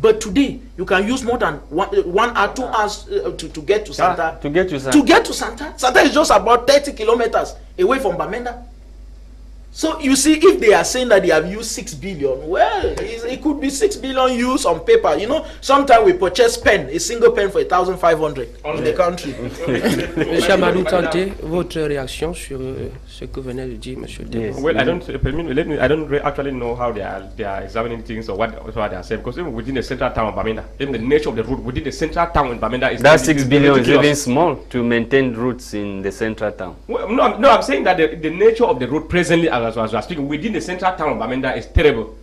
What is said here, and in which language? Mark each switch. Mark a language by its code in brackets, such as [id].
[en] But today, you can use more than one or two hours to get to Santa. To get to Santa. To get to Santa. Santa is just about 30 kilometers away from Bamenda. So you see, if they are saying that they have used 6 billion, well, it could be 6 billion used on paper. You know, sometimes we purchase pen, a single pen for 1,500 in the country. [fr] Monsieur Amadou Tante, votre réaction sur ce que venait de dire Monsieur Dé. [en] Well, I don't, I don't actually know how they are examining things or what they are saying, because even within the central town of Bamenda, in the nature of the route, within the central town in Bamenda, is that 6 billion is even small to maintain routes in the central town. Well, I'm saying that the nature of the route presently, as we are speaking, within the central town of Bamenda is terrible.